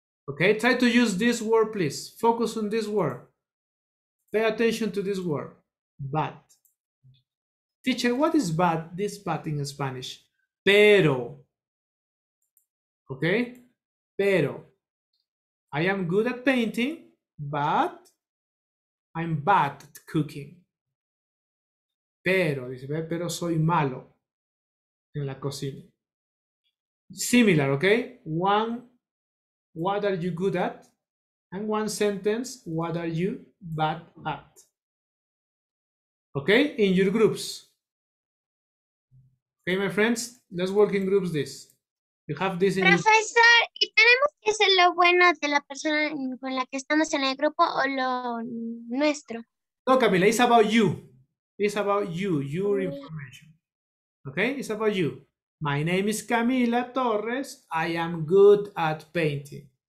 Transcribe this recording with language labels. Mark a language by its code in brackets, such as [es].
[en] Okay, try to use this word, please. Focus on this word. Pay attention to this word, but. Teacher, what is bad, this bad in Spanish? [es] Pero. [en] Okay, [es] pero, [en] I am good at painting, but I'm bad at cooking. [es] Pero, dice, pero soy malo en la cocina. [en] Similar, okay, one, what are you good at? And one sentence, what are you bad at? Okay, in your groups. Okay, my friends, let's work in groups this. You have this in [es] Profesor, ¿y tenemos que hacer lo bueno de la persona con la que estamos en el grupo o lo nuestro? [en] No, Camila, it's about you. It's about you, your information. Okay, it's about you. My name is Camila Torres. I am good at painting.